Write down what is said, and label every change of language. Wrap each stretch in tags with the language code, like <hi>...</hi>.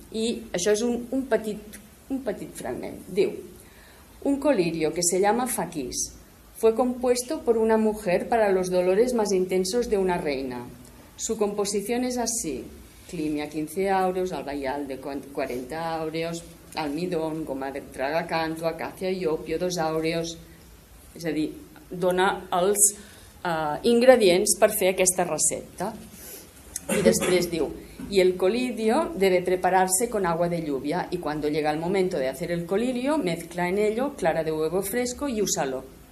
<ca>I això és un petit fragment.</ca> <es>Diu: un colirio que se llama Faquis fue compuesto por una mujer para los dolores más intensos de una reina. Su composición es así: climia 15 euros, albayal de 40 euros, almidón, goma de tragacanto, acacia y opio 2 euros.</es> <ca>És a dir, dona els ingredients per fer aquesta recepta. I després diu:</ca> <es>y el colirio debe prepararse con agua de lluvia y cuando llega el momento de hacer el colirio, mezcla en ello clara de huevo fresco y úsalo.</es>